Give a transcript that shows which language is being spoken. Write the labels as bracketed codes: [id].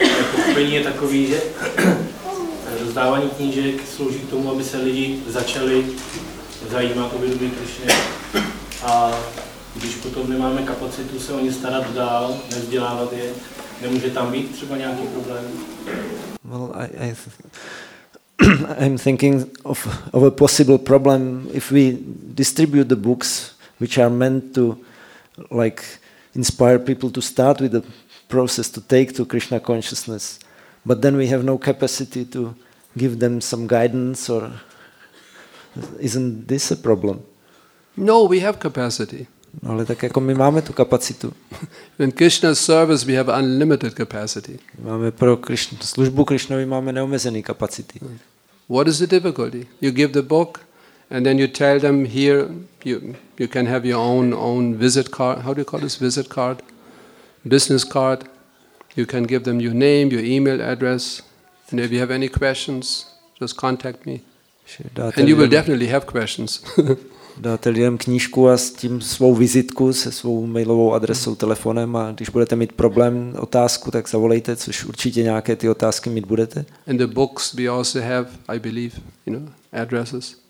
[cs] Pochopení je takový, že rozdávání knížek slouží k tomu, aby se lidi začali zajímat o vědomí Krišny. A když potom nemáme kapacitu se o ně starat dál, nevzdělávat je, nemůže tam být třeba nějaký problém? [en] Well, I'm thinking of a possible problem if we distribute the books which are meant to like inspire people to start with the process to take to Krishna consciousness, but then we have no capacity to give them some guidance, or isn't this a problem? No, we have capacity. [cs] Ale tak jako my máme tu kapacitu. [en] In Krishna's service we have unlimited capacity. [cs] Máme pro Krishna službu Krishnovi máme neomezený kapacity. [en] What is the difficulty? You give the book and then you tell them here you can have your own visit card. How do you call this visit card? Business card, you can give them your name, your email address, and if you have any questions, just contact me. And you will definitely have questions. [cs] Dáte lidem knížku a s tím svou vizitku, se svou mailovou adresou, telefonem, a když budete mít problém, otázku, tak zavolejte, což určitě nějaké ty otázky mít budete. [en] And the books we also have, I believe, you know, addresses.